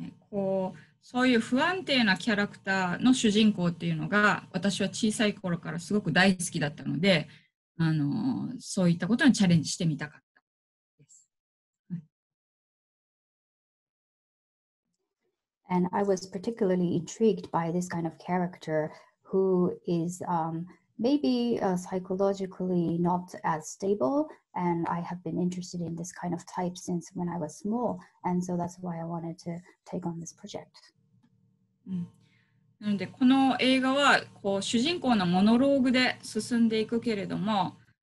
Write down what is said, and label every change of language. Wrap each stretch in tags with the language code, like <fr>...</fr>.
<ja>こうそういう不安定なキャラクターの主人公っていうのが私は小さい頃からすごく大好きだったので、そういったことにチャレンジしてみたかったです。</ja> <en>And I was particularly intrigued by this kind of character who is maybe psychologically not as stable, and I have been interested in this kind of type since when I was small, and so that's why I wanted to take on this project.</en> <ja>なので、この映画はこう主人公のモノローグで進んでいくけれども、</ja>